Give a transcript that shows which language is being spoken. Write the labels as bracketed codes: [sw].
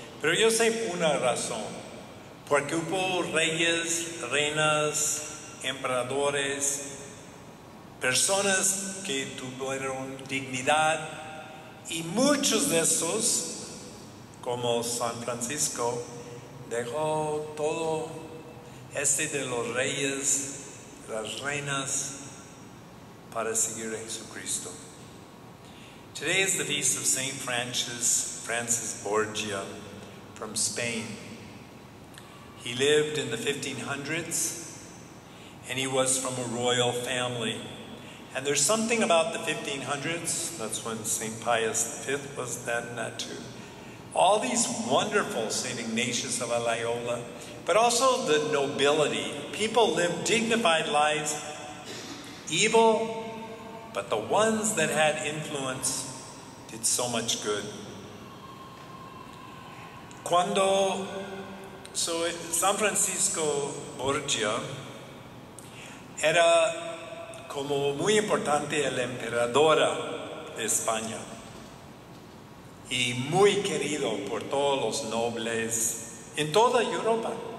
[es] Pero yo sé una razón. Porque hubo reyes, reinas, emperadores, personas que tuvieron dignidad, y muchos de esos, como San Francisco, dejó todo este de los reyes, las reinas, para seguir a Jesucristo. [en] Today is the feast of Saint Francis Borgia from Spain. He lived in the 1500s, and he was from a royal family. And there's something about the 1500s, that's when St. Pius V was then, that too. All these wonderful St. Ignatius of Loyola, but also the nobility. People lived dignified lives, evil, but the ones that had influence did so much good. [es] So San Francisco Borgia era como muy importante el emperador de España y muy querido por todos los nobles en toda Europa.